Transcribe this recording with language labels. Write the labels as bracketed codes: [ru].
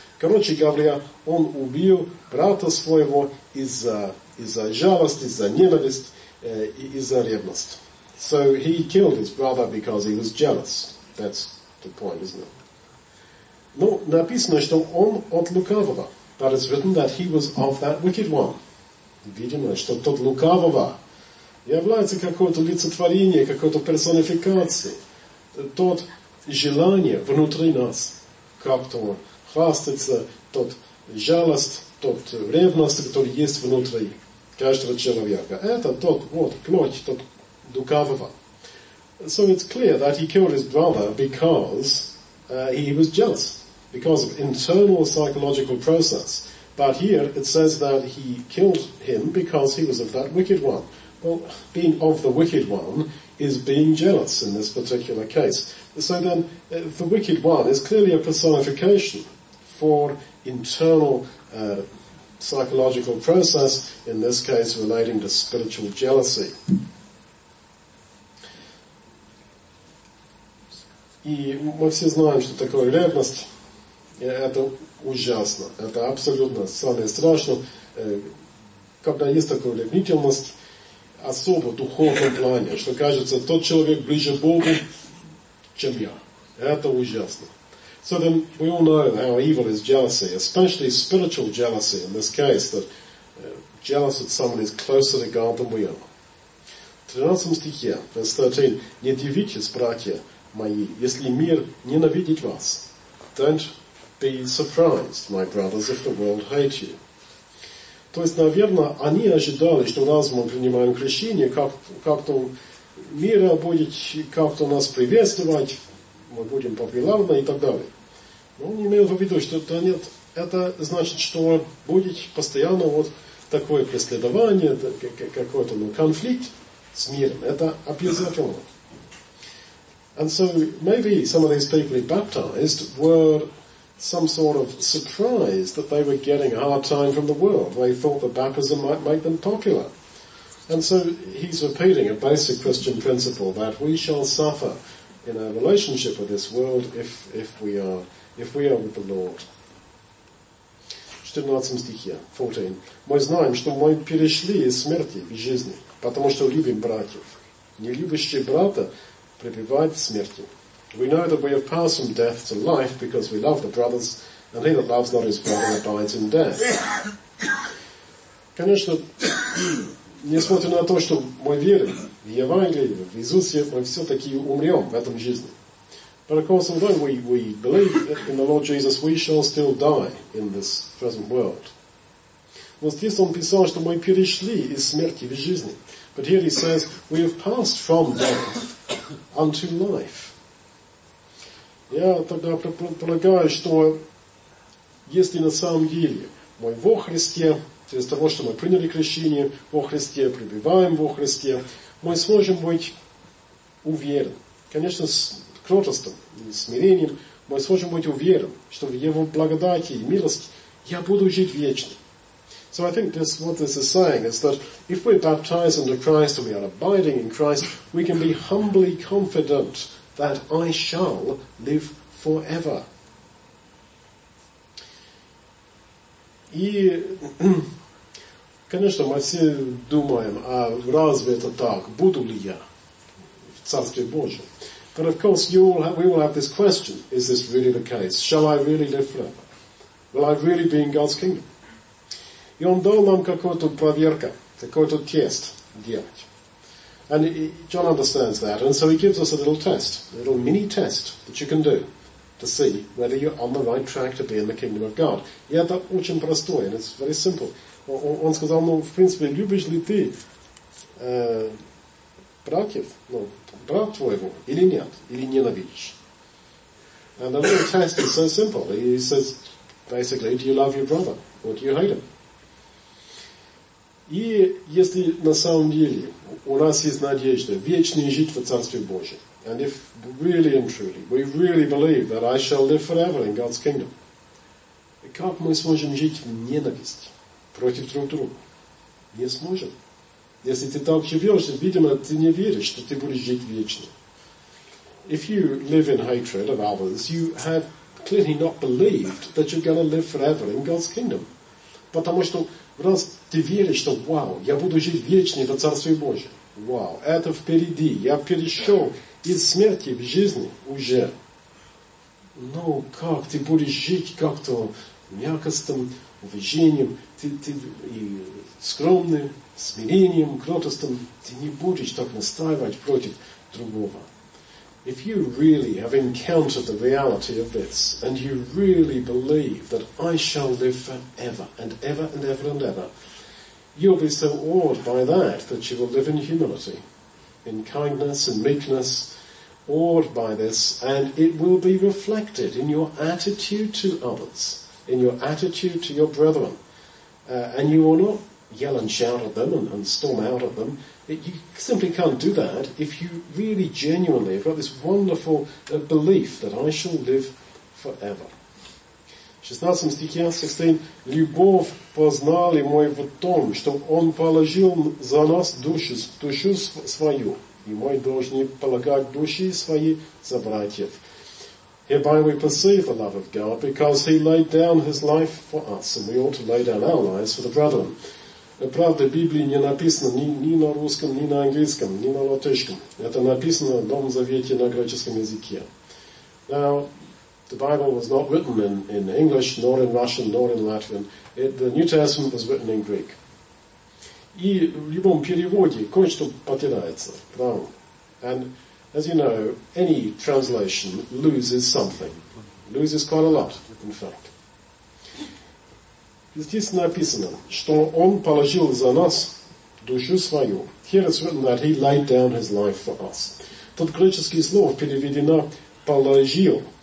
[ru] Короче говоря, он убил брата своего из-за жалости, из-за ненависти, из-за ревности. [en] So he killed his brother because he was jealous. That's the point, isn't it? [ru] Ну, написано, что он от лукавого. [en] That is written that he was of that wicked one. [ru] Видимо, что тот лукавого является какое-то лицетворение, какое-то персонификация. Тот желание внутри нас как-то хвастаться, тот жалость, тот ревность, который есть внутри каждого человека. Это тот вот плоть, тот лукавого. [en] So it's clear that he killed his brother because he was jealous. Because of internal psychological process. But here it says that he killed him because he was of that wicked one. Well, being of the wicked one is being jealous in this particular case. So then, the wicked one is clearly a personification for internal psychological process, in this case relating to spiritual jealousy. [ru] И мы все знаем, что такое ревность. Это ужасно, это абсолютно самое страшное, когда есть такая ревнительность, особо в духовном плане, что кажется, тот человек ближе Богу, чем я. Это ужасно. [en] So then we all know how evil is jealousy, especially spiritual jealousy in this case, that jealous that someone is closer to God than we are. [ru] В 13 стихе, [en] verse 13, [ru] «Не дивитесь, братья мои, если мир ненавидит вас, [en] don't be surprised, my brothers, if the world hates you». [ru] То есть, наверное, они ожидали, что раз мы принимаем крещение, как-то мир будет как-то нас приветствовать, мы будем популярны и так далее. Но он имел в виду, что да нет, это значит, что будет постоянно вот такое преследование, какой-то конфликт с миром. Это обязательно. [en] And so, maybe some of these people who baptized were some sort of surprise that they were getting a hard time from the world. They thought that baptism might make them popular. And so he's repeating a basic Christian principle that we shall suffer in our relationship with this world if we are with the Lord. [ru] Четырнадцатом стихе, 14. Мы знаем, что мы перешли из смерти в жизнь, потому что любим братьев. Не любящий брата пребывает в смерти. [en] We know that we have passed from death to life because we love the brothers, and he that loves not his brother abides in death. [ru] Конечно, несмотря на то, что мы верим в Евангелие, в Иисусе, мы все-таки умрем в этом жизни. [en] But of course, although we believe in the Lord Jesus, we shall still die in this present world. [ru] Но здесь он писал, что мы перешли из смерти в жизнь. [en] But here he says, we have passed from death unto life. [ru] Я тогда предполагаю, что если на самом деле мы во Христе, через того, что мы приняли крещение во Христе, пребываем во Христе, мы сможем быть уверены. Конечно, с кротостом и смирением мы сможем быть уверены, что в Его благодати и милости я буду жить вечно. [en] So I think this, what this is saying is that if we're baptized into Christ and we are abiding in Christ, we can be humbly confident that I shall live forever. [ru] И, конечно, мы все думаем, а разве это так? Буду ли я в Царстве Божьем? [en] But of course, we all have this question, is this really the case? Shall I really live forever? Will I really be in God's kingdom? [ru] И он дал нам какую-то проверку, какой-то тест делать. [en] And John understands that, and so he gives us a little test, a little mini-test that you can do to see whether you're on the right track to be in the kingdom of God. [ru] И это очень простое, [en] and it's very simple. [ru] Он сказал, ну, в принципе, любишь ли ты братьев, ну, брат твоего, или нет, или ненавидишь? [en] And the little test is so simple. He says, basically, do you love your brother, or do you hate him? [ru] И если на самом деле у нас есть надежда вечно жить в Царстве Божьем, [en] and if really and truly, we really believe that I shall live forever in God's kingdom, [ru] как мы сможем жить в ненависти против друг друга? Не сможем. Если ты так живешь, видимо, ты не веришь, что ты будешь жить вечно. [en] If you live in hatred of others, you have clearly not believed that you're going to live forever in God's kingdom. [ru] Потому что раз ты веришь, что вау, я буду жить вечно в Царстве Божьем. Вау, это впереди. Я перешел из смерти в жизнь уже. Ну, как ты будешь жить как-то мягкостным уважением, ты и скромным смирением, кротостом, ты не будешь так настаивать против другого. [en] If you really have encountered the reality of this, and you really believe that I shall live forever, and ever, and ever, and ever, you'll be so awed by that, that you will live in humility, in kindness, in meekness, awed by this, and it will be reflected in your attitude to others, in your attitude to your brethren. And you will not yell and shout at them and storm out at them. You simply can't do that if you really genuinely have got this wonderful belief that I shall live forever. [ru] 16 стихе, 16. Любовь познали мы в том, что Он положил за нас душу свою, и мы должны полагать души свои за братьев. [en] Hereby we perceive the love of God, because He laid down His life for us, and we ought to lay down our lives for the brethren. [ru] Правда, в Библии не написано ни на русском, ни на английском, ни на латышском. Это написано в Новом Завете на греческом языке. [en] Now, the Bible was not written in English, nor in Russian, nor in Latvian. The New Testament was written in Greek. [ru] И в любом переводе кое-что потеряется, правда? [en] And as you know, any translation loses something. Loses quite a lot, in fact. [ru] Здесь написано, что Он положил за нас душу свою. [en] Here it's written that He laid down His life for us. [ru] Тут греческое слово переведено «положил».